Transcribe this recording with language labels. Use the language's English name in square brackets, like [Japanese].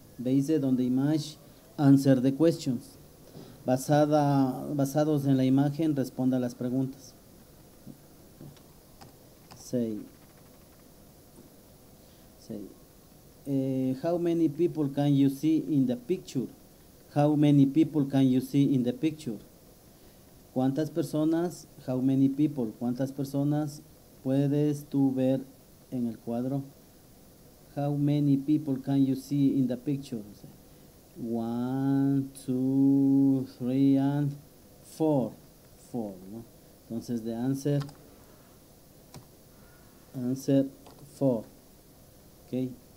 [English] Based on the image, answer the questions. [Spanish] Basados en la imagen, responda las preguntas. [English] Say. How many people can you see in the picture? [Spanish] ¿Cuántas personas puedes tú ver en el cuadro? [English] How many people can you see in the picture? 1, 2, 3, and 4. Four, ¿no? Entonces, the answer, 4. Okay.